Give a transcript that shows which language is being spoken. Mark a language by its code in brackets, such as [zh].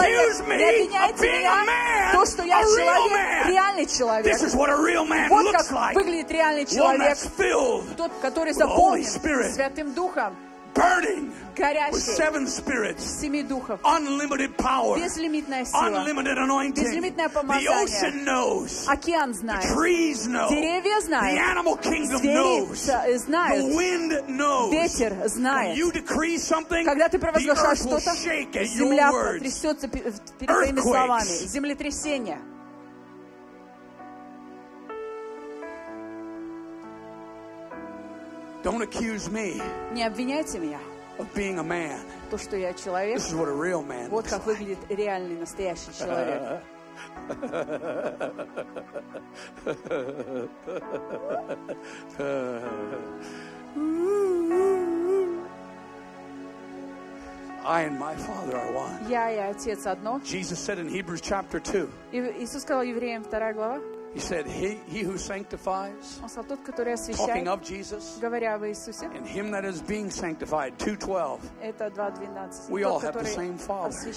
[en] Don't accuse me of being a man. A real man. [ru] Реальный человек. [en] This is what a real man [ru] вот [en] looks. [ru] Как выглядит реальный человек, тот, который заполнен Святым Духом, горящий, семи духов, безлимитная сила, безлимитное помазание, океан знает, деревья знают, звери знают, ветер знает. Когда ты провозглашаешь что-то, земля потрясется перед твоими словами, землетрясение. [en] Don't accuse me. [ru] Не обвиняйте меня. [en] Of being a man. [ru] То, что я человек. [en] This is what a real man. [ru] Вот как выглядит реальный настоящий человек. [en] I and my Father are one. [ru] Я и отец одно. [en] Jesus said in Hebrews chapter 2. [ru] Иисус сказал евреям вторая глава. [en] He said, "He who sanctifies, talking of Jesus, and him that is being sanctified, 2:12. We all have the same Father.